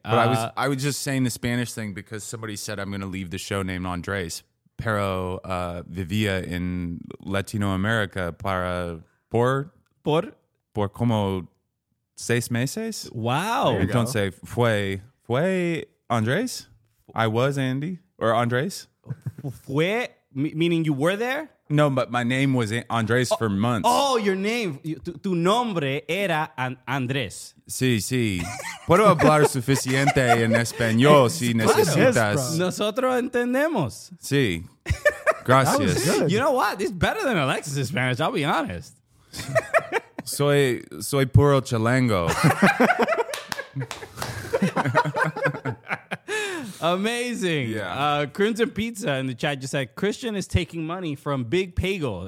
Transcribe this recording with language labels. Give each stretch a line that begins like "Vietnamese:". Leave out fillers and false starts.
English: But I was just saying the Spanish thing because somebody said I'm going to leave the show named Andres.
Spanish: Pero vivía en Latino America para por como 6 meses. Wow. Entonces fue Andres.
English: I was Andy. Or Andres?
Spanish: Fue,
English: meaning you were there? No, but my name was Andres for months. Oh, your name.
Spanish: Tu nombre era Andres. Sí, sí. Puedo hablar suficiente en español si necesitas. Nosotros entendemos. Sí. Gracias.
English: You know what? It's better than Alexis' Spanish, I'll be honest.
Spanish: soy puro chilango.
English: Amazing. Yeah. Crimson Pizza in the chat just said, Christian is taking money from Big Bagel.